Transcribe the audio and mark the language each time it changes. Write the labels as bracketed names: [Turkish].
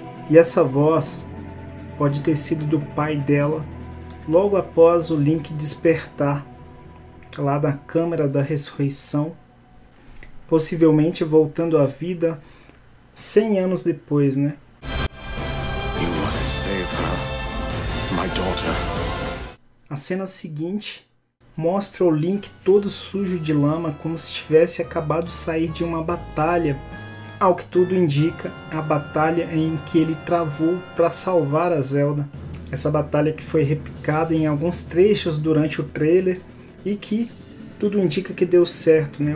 [Portuguese] E essa voz pode ter sido do pai dela, logo após o Link despertar lá da Câmara da Ressurreição, possivelmente voltando à vida 100 anos depois, né? [English] You must save her, my daughter. [Portuguese] A cena seguinte mostra o Link todo sujo de lama, como se tivesse acabado de sair de uma batalha. Ao que tudo indica, a batalha em que ele travou para salvar a Zelda. Essa batalha que foi replicada em alguns trechos durante o trailer e que tudo indica que deu certo, né?